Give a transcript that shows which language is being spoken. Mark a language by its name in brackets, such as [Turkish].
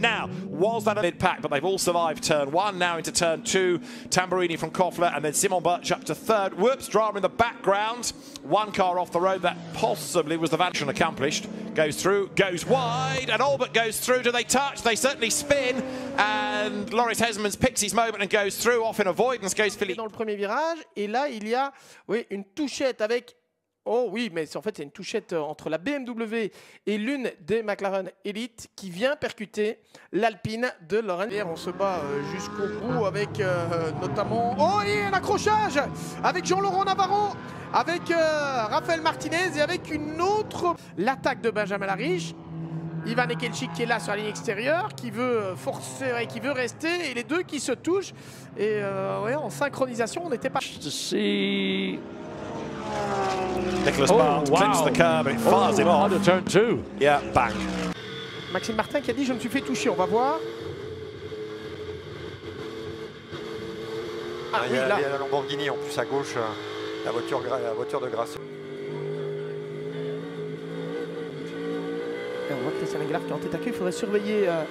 [English] Now, was that a mid-pack? But they've all survived turn one. Now into turn two. Tamburini from Koffler. And then Simon Birch up to third. Whoops, drama in the background. One car off the road. That possibly was the Vanishing accomplished. Goes through, goes wide, and Albert goes through. Do they touch? They certainly spin. And Loris Hesman's picks his moment and goes through. Off in avoidance goes Philippe. [French] Dans le premier virage. Et là, il y a, oui, une touchette avec Oh oui, mais c'est, en fait, c'est une touchette entre la BMW et l'une des McLaren Elite qui vient percuter l'Alpine de Lorenz. On se bat jusqu'au bout avec notamment... Oh, et un accrochage avec Jean-Laurent Navarro, avec Raphaël Martinez et avec une autre... L'attaque de Benjamin Lariche. Ivan Ekelchik qui est là sur la ligne extérieure, qui veut forcer et qui veut rester, et les deux qui se touchent. Et ouais, en synchronisation, on n'était pas... [English] Nicolas Bart clings the curb, it fires him off. Turn two. Yeah, bang. [French] Maxime Martin qui a dit je me suis fait toucher, on va voir. Ah, il y a la Lamborghini en plus à gauche, la voiture de Grasso. On voit que Christian Engelhardt qui est en tête à queue, il faudrait surveiller.